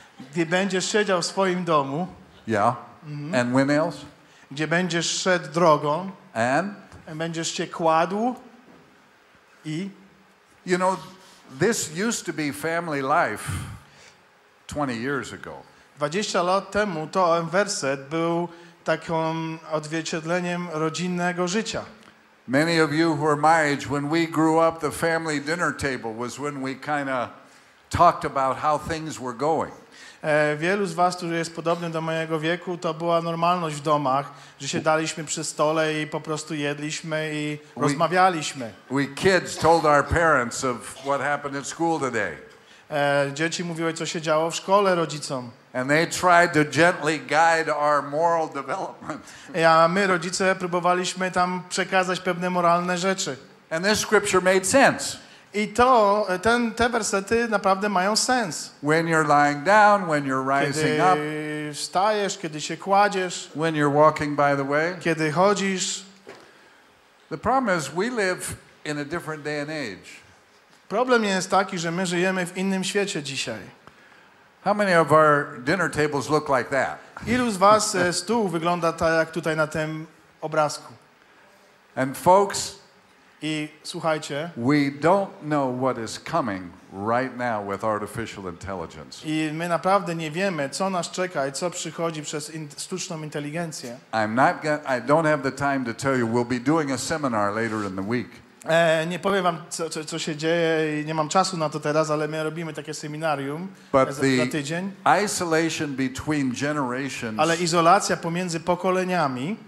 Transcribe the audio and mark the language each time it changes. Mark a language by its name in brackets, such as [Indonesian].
[Polish] Gdy będziesz siedział w swoim domu. [English] Yeah. And when else? [Polish] Gdzie będziesz szedł drogą. [English] And? [Polish] Będziesz się kładł i... [English] You know, this used to be family life 20 years ago. [Polish] 20 lat temu to ten werset był takim odzwierciedleniem rodzinnego życia. [English] Many of you who are my age, when we grew up, the family dinner table was when we kind of talked about how things were going. [Polish] Wielu z was, którzy jest podobny do mojego wieku, to była normalność w domach, że siadaliśmy przy stole i po prostu jedliśmy i rozmawialiśmy. [English] We kids told our parents of what happened at school today. [Polish] Dzieci mówiły, co się działo w szkole rodzicom. [English] And they tried to gently guide our moral development. [Polish] A my, rodzice, próbowaliśmy tam przekazać pewne moralne rzeczy. [English] And this scripture made sense. [Polish] I to, ten, te wersety naprawdę mają sens. [English] When you're lying down, when you're rising [Polish] kiedy [English] up. [Polish] Kiedy wstajesz, kiedy się kładziesz. [English] When you're walking by the way. [Polish] Kiedy chodzisz. [English] The problem is we live in a different day and age. [Polish] Problem jest taki, że my żyjemy w innym świecie dzisiaj. [English] How many of our dinner tables look like that? [Polish] Ilu z was stół wygląda tak jak tutaj na tym obrazku? [English] And folks, [Polish] i słuchajcie, [English] we don't know what is coming right now with artificial intelligence. [Polish] I my naprawdę nie wiemy, co nas czeka i co przychodzi przez sztuczną inteligencję. [English] I don't have the time to tell you. We'll be doing a seminar later in the week. [Polish] Nie powiem wam, co się dzieje i nie mam czasu na to teraz, ale my robimy takie seminarium za tydzień. [English] Isolation between generations, [Polish] ale izolacja pomiędzy pokoleniami